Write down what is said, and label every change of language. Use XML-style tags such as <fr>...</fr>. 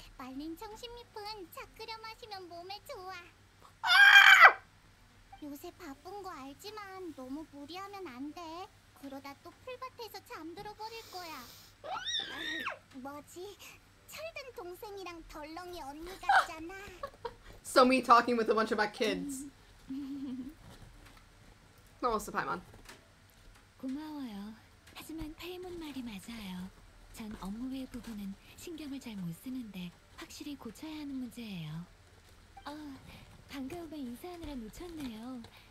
<ko>말린 청심잎은 차 끓여 마시면 몸에 좋아. 요새 바쁜 거 알지만 너무 무리하면 안 돼. 그러다 또 풀밭에서 잠들어 버릴 거야. 뭐지? 철든 동생이랑 덜렁이 언니 같잖아.</ko> <en>So me talking with a bunch of my kids.</en> <ko>나왔어, 파이먼. 고마워요. 하지만 파이먼 말이 맞아요. 전 업무 외 부분은 신경을 잘 못 쓰는데 확실히 고쳐야 하는 문제예요. 아, 반가움에 인사하느라 놓쳤네요.</ko>